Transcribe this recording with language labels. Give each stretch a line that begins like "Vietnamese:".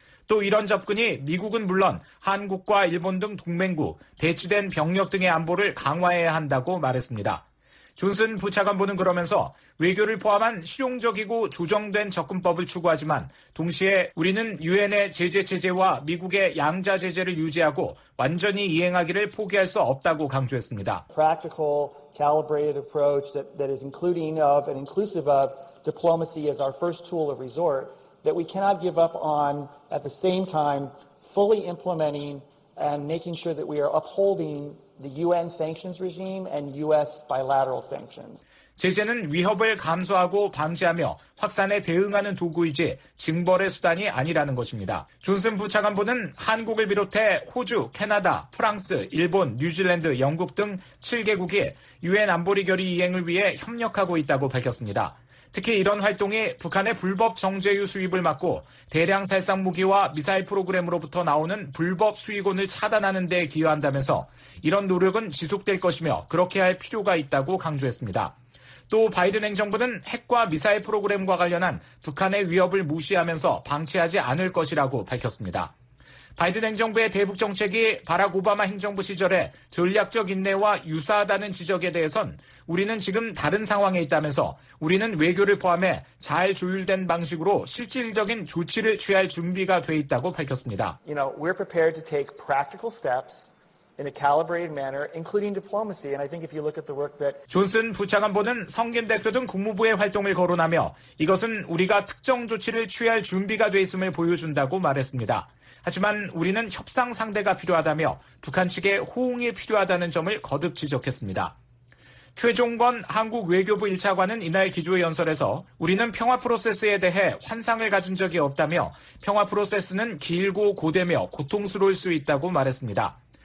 Korean: 또 이런 접근이 미국은 물론 한국과 일본 등 동맹국, 배치된 병력 등의 안보를 강화해야 한다고 말했습니다. 존슨 부차관보는 그러면서 외교를 포함한 실용적이고 조정된 접근법을 추구하지만 동시에 우리는 유엔의 제재 체제와 미국의 양자 제재를 유지하고 완전히 이행하기를 포기할 수 없다고 강조했습니다.
English: Practical, calibrated approach that is including of and inclusive of diplomacy as our first tool of resort that we cannot give up on at the same time fully implementing and making sure that we are upholding the UN sanctions regime and US bilateral sanctions.
Korean: 제재는 위협을 감수하고 방지하며 확산에 대응하는 도구이지 징벌의 수단이 아니라는 것입니다. 존슨 부차관보는 한국을 비롯해 호주, 캐나다, 프랑스, 일본, 뉴질랜드, 영국 등 7개국이 UN 안보리 결의 이행을 위해 협력하고 있다고 밝혔습니다. 특히 이런 활동이 북한의 불법 정제유 수입을 막고 대량 살상 무기와 미사일 프로그램으로부터 나오는 불법 수익원을 차단하는 데 기여한다면서 이런 노력은 지속될 것이며 그렇게 할 필요가 있다고 강조했습니다. 또 바이든 행정부는 핵과 미사일 프로그램과 관련한 북한의 위협을 무시하면서 방치하지 않을 것이라고 밝혔습니다. 바이든 행정부의 대북 정책이 바락 오바마 행정부 시절에 전략적 인내와 유사하다는 지적에 대해선 우리는 지금 다른 상황에 있다면서 우리는 외교를 포함해 잘 조율된 방식으로 실질적인 조치를 취할 준비가 돼 있다고 밝혔습니다.
English: You know, we're prepared to take practical steps in a calibrated manner including diplomacy and I think if you look at the work that
Korean: 존슨 부차관보는 성김 대표 등 국무부의 활동을 거론하며 이것은 우리가 특정 조치를 취할 준비가 돼 있음을 보여준다고 말했습니다. 하지만 우리는 협상 상대가 필요하다며 북한 측의 호응이 필요하다는 점을 거듭 지적했습니다. 최종권 한국 외교부 1차관은 이날 기조의 연설에서 우리는 평화 프로세스에 대해 환상을 가진 적이 없다며 평화 프로세스는 길고 고되며 고통스러울 수 있다고 말했습니다.